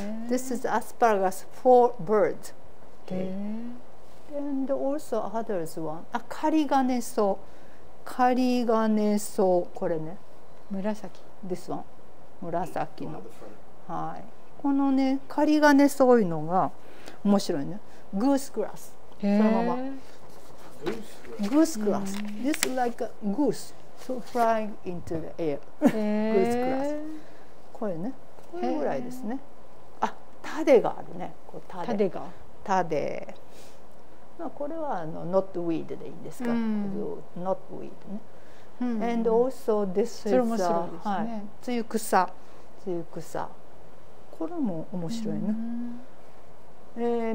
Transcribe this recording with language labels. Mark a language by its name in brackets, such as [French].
[English] This is asparagus for birds. And also others one. [Japanese] あ、カリガネソウ、カリガネソウ、これね。紫。 [English] This one, [Japanese] 紫の。はい。このね、カリガネソウいうのが面白いね。グースグラス。そのまま。グースグラス。 [English] This is like a goose so flying into the air. [Japanese] グースグラス。これね、これぐらいですね。あ、タデがあるね。こうタデが。タデ。まあ、これは [English] not weed [Japanese] でいいんですか。 [English] Not weed ね。And also this is [Japanese] それ面白いですね。はい。つゆ草。つゆ草。これも面白いね。